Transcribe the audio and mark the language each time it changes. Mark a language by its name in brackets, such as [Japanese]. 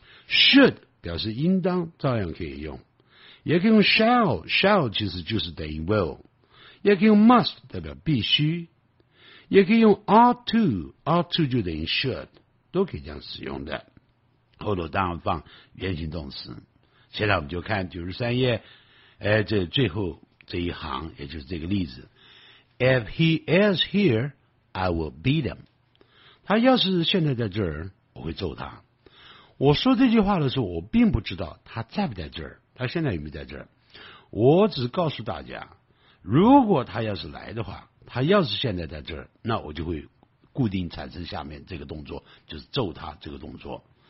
[Chinese] should 表示应当照样可以用，也可以用 shall 其实就是等于 will， 也可以用 must 代表必须，也可以用 ought to 就等于 should， 都可以这样使用的，后头当然放原形动词。现在我们就看93页，这最后这一行，也就是这个例子。 [English] If he is here, I will beat him. [Chinese] 他要是现在在这儿，我会揍他。我说这句话的时候，我并不知道他在不在这儿，他现在有没有在这儿。我只告诉大家，如果他要是来的话，他要是现在在这儿，那我就会固定产生下面这个动作，就是揍他这个动作。